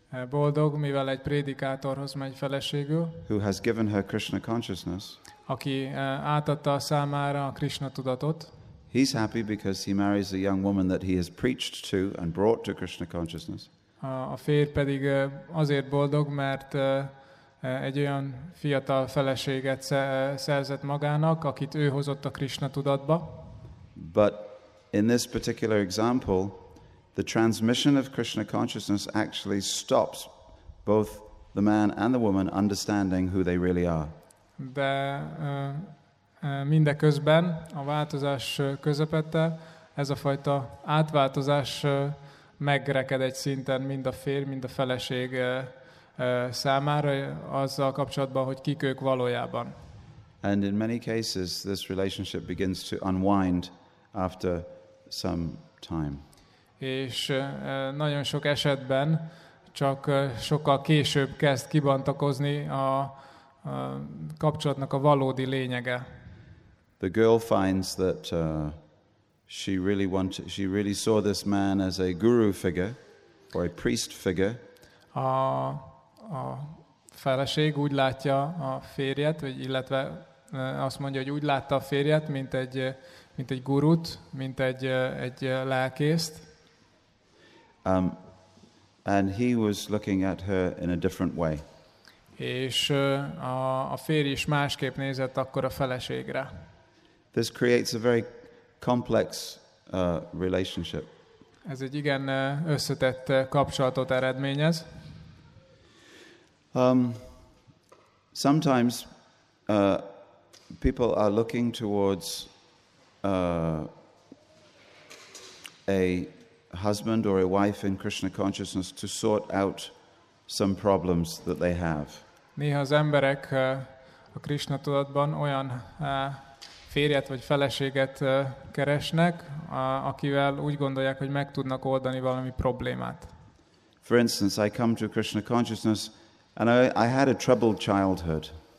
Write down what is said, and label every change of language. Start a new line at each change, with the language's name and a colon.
Hungarian: Boldog, mivel egy prédikátorhoz megy feleségül.
English: Who has given her Krishna consciousness.
Hungarian: Aki átadta a számára a Krishna tudatot.
English: He's happy because he marries a young woman that he has preached to and brought to Krishna consciousness.
Hungarian: A férj pedig azért boldog, mert egy olyan fiatal feleséget szerzett magának, akit ő hozott a Krishna tudatba.
English: But in this particular example, the transmission of Krishna consciousness actually stops both the man and the woman understanding who they really are.
Hungarian: De mindeközben a változás közepette ez a fajta átváltozás megreked egy szinten mind a férj, mind a feleség számára azzal kapcsolatban, hogy kik ők valójában.
English: And in many cases this relationship begins to unwind after some time.
Hungarian: És nagyon sok esetben csak sokkal később kezd kibontakozni a kapcsolatnak a valódi lényege.
English: The girl finds that she really saw this man as a guru figure or a priest figure.
Hungarian: A feleség úgy látja a férjet, vagy illetve azt mondja, hogy úgy látta a férjet, mint egy gurut, mint egy lelkészt.
English: And he was looking at her in a different way.
Hungarian: És a férj is másképp nézett akkor a feleségre.
English: This creates a very complex relationship.
Hungarian: Ez egy igen összetett kapcsolatot eredményez.
English: Sometimes people are looking towards a husband or a wife in Krishna consciousness to sort out some problems that they have.
Hungarian: Néha az emberek a Krishna tudatban olyan férjet vagy feleséget keresnek, akivel úgy gondolják, hogy meg tudnak oldani valami problémát.
English: For instance, I come to Krishna consciousness and I had a troubled childhood.